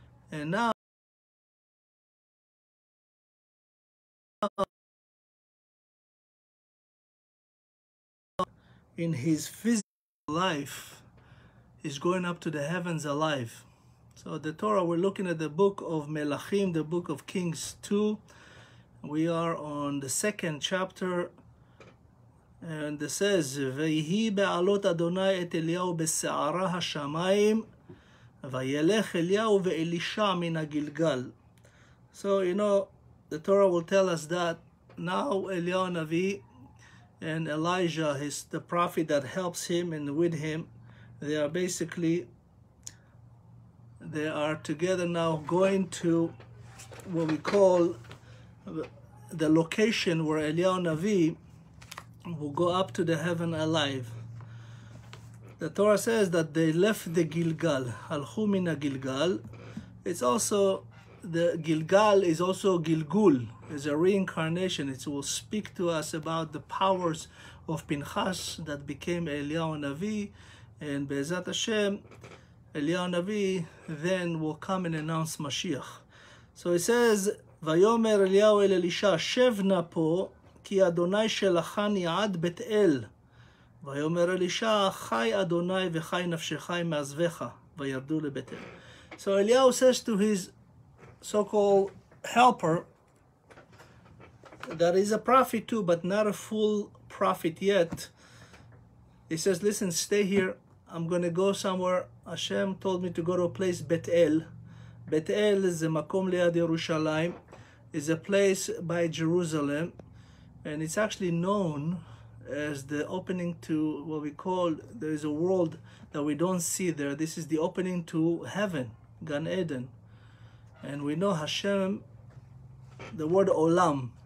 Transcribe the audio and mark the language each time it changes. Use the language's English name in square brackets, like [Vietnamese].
[English] And now in his physical life, he's going up to the heavens alive. So the Torah, we're looking at the book of Melachim, the book of Kings 2. We are on the second chapter. And it says, [Hebrew] ויהי בעלות אדוני את אליהו בסערה השמיים, וילך אליהו ואלישע מן הגלגל. [English] So, you know, the Torah will tell us that now אליהו הנביא and Elijah, his, the prophet that helps him and with him, they are together now going to what we call the location where אליהו הנביא will go up to the heaven alive. The Torah says that they left the Gilgal, [Hebrew] הלכו מן הגלגל. [English] It's also, the Gilgal is also Gilgul, is a reincarnation. It will speak to us about the powers of Pinchas that became Eliyahu Navi, and Be'ezat Hashem, Eliyahu Navi then will come and announce Mashiach. So it says, [Hebrew] ויומר אליהו אל אלישע, שב נא פה, כי אדוני שלחני עד בית אל. ויאמר אלישע, חי אדוני וחי נפשך עם מעזבך, וירדו לבית אל. [English] So Eliyahu says to his so-called helper, that is a prophet too, but not a full prophet yet. He says, listen, stay here. I'm going to go somewhere. Hashem told me to go to a place, בית אל. [Hebrew] בית אל זה מקום ליד ירושלים. [English] It's a place by Jerusalem. And it's actually known as the opening to what we call, there is a world that we don't see there. This is the opening to heaven, Gan Eden. And we know Hashem, the word Olam.